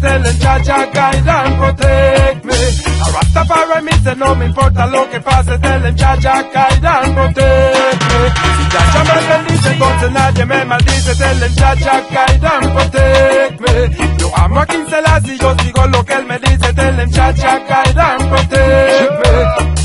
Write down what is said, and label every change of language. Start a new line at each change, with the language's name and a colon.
English: Tell them Jah Jah guide and protect me.
Spanish: A Rastafari me say no me importa lo que pase.
English: Tell them Jah Jah guide and protect me.
Spanish: Si Jah Jah me bendice, entonces nadie me maldice.
English: Tell them Jah Jah guide and protect me.
Spanish: Yo amo a King Selassie, yo sigo lo que él me dice.
English: Tell them Jah Jah guide and protect me.